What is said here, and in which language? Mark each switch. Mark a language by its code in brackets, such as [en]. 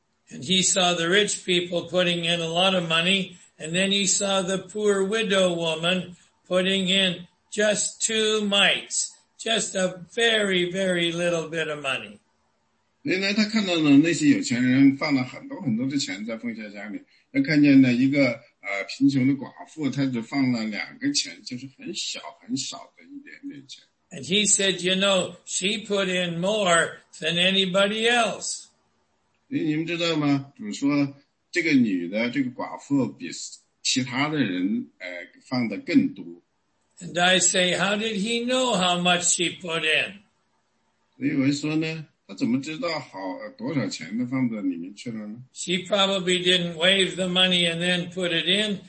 [en] And he saw the rich people putting in a lot of money, and then he saw the poor widow woman putting in just two mites. Just a very, very little bit of money. [zh] 原来他看到了那些有钱人放了很多很多的钱在奉献箱里，他看见了一个贫穷的寡妇，他只放了两个钱，就是很小很少的一点点钱。 [en] And he said, you know, she put in more than anybody else. [zh] 你们知道吗？主说这个女的，这个寡妇比其他的人放的更多。 [en] And I say, how did he know how much she put in? [zh] 所以我说呢，他怎么知道好多少钱都放在里面去了呢？ [en] She probably didn't wave the money and then put it in.